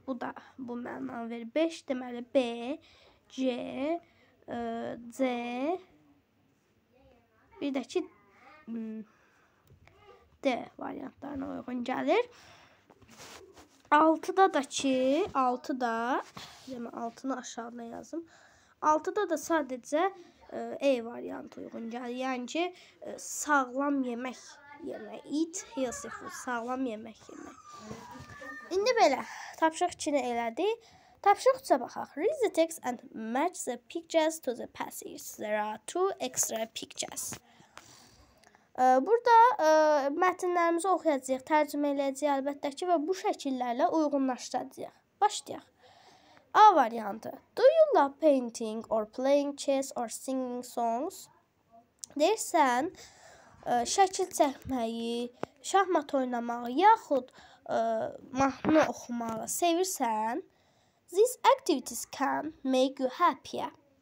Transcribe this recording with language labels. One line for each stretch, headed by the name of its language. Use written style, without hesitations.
Azerbaijani: Bu da bu mənanı verir. 5, deməli, B, C, C, bir də ki, D variantlarına uyğun gəlir. 6-da da ki, 6-da, deməli, 6-nı aşağıda yazım. 6-da da sadəcə E variantı uyğun gəlir. Yəni ki, sağlam yemək yemək.
English: Eat healthy food.
Azerbaijani: Sağlam yemək yemək. İndi belə, tapşırıq 2-ni elədi. Tapşırıq 3-ə baxaq.
English: Read the text and match the pictures to the passage. There are two extra pictures.
Azerbaijani: Burada mətnlərimizi oxuyacaq, tərcümə eləyəcək əlbəttə ki və bu şəkillərlə uyğunlaşdıracaq. Başlayaq. A variantı.
English: Do you love painting or playing chess or singing songs?
Azerbaijani: Deyirsən, şəkil çəkməyi, şahmat oynamağı yaxud mahnı oxumağı sevirsən,
English: these activities can make you happier.